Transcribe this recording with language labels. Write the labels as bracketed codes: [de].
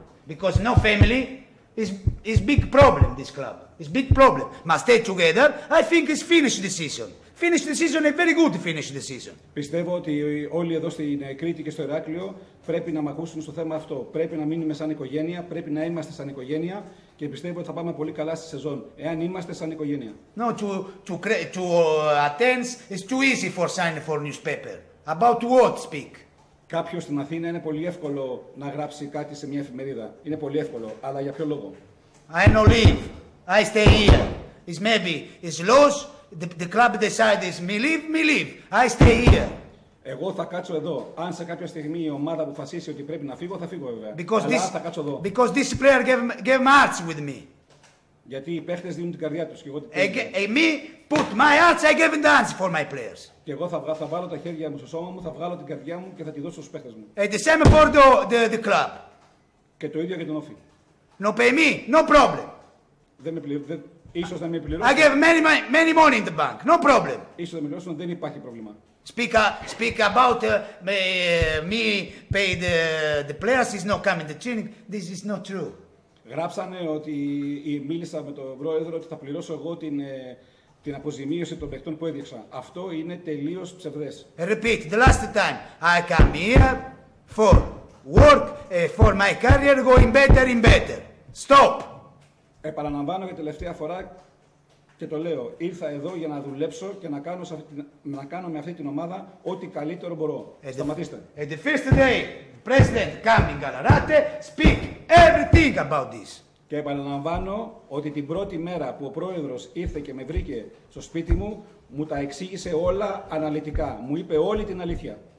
[en] Because no family is big problem this club. It's big problem. But stay together. I think it's finished this season. Finish the season, a very good finish the season. [el] Πιστεύω ότι όλοι εδώ στην Κρήτη και στο Ηράκλειο πρέπει να μ' ακούσουν στο θέμα αυτό. Πρέπει να μείνουμε σαν οικογένεια, πρέπει να είμαστε σαν οικογένεια και πιστεύω ότι θα πάμε πολύ καλά στη σεζόν, εάν είμαστε σαν οικογένεια. [en] No, to attend is too easy for sign for newspaper. About what speak? [el] Κάποιος στην Αθήνα είναι πολύ εύκολο να γράψει κάτι σε μια εφημερίδα. Είναι πολύ εύκολο, αλλά για ποιο λόγο? [en] I don't live. I stay here. It's maybe it's loss. The club decides, me leave, I stay here. [el] Εγώ θα κάτσω εδώ. Αν σε κάποια στιγμή η ομάδα αποφασίσει ότι πρέπει να φύγω, θα φύγω βέβαια. [en] Because [el] αλλά [en] this, [el] θα κάτσω εδώ. [en] Because this player gave my arts with me. [el] Γιατί οι παίχτες δίνουν την καρδιά τους και εγώ την παίχνω. [en] Me put my arts, I gave the arts for my players. [el] Και εγώ θα βάλω τα χέρια μου στο σώμα μου, θα βγάλω την καρδιά μου και θα τη δώσω στους παίχτες μου. [en] And the same for the club. [el] Και το ίδιο για τον Όφη. [en] No pay me, no problem. [el] Δεν με πληρώνει. Ίσως να με πληρώσουν. [en] I gave many money in the bank. No problem. [el] Ίσως να με πληρώσουν, δεν υπάρχει πρόβλημα. [en] Speak about me paid the players is not coming to training. This is not true. [el] Γράψανε ότι μίλησα με τον πρόεδρο ότι θα πληρώσω εγώ την αποζημίωση των παιχτών που έδειξα. Αυτό είναι τελείως ψευδές. [en] Repeat the last time. I come here for work, for my career going better and better. Stop. [el] Επαναλαμβάνω για τελευταία φορά και το λέω. Ήρθα εδώ για να δουλέψω και να κάνω με αυτή την ομάδα ό,τι καλύτερο μπορώ. Σταματήστε. [en] And the first day, the president coming Galarate speak everything about this. [el] Και επαναλαμβάνω ότι την πρώτη μέρα που ο πρόεδρος ήρθε και με βρήκε στο σπίτι μου, μου τα εξήγησε όλα αναλυτικά. Μου είπε όλη την αλήθεια.